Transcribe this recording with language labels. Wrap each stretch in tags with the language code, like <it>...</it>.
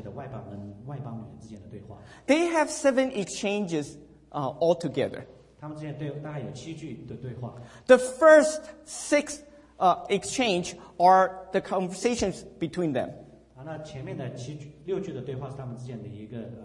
<zh>但是在约翰福音这一章，我们记载的这段对话，却是介乎于一个主耶稣基督和撒玛利亚妇人这个最被人看不起的外邦人、外邦女人之间的对话。They</zh> <en>have seven exchanges altogether.</en> <zh>他们之间对大概有七句的对话。The</zh> <en>first six exchange are the conversations between them.</en> <zh>那前面的七句、六句的对话是他们之间的一个。</zh>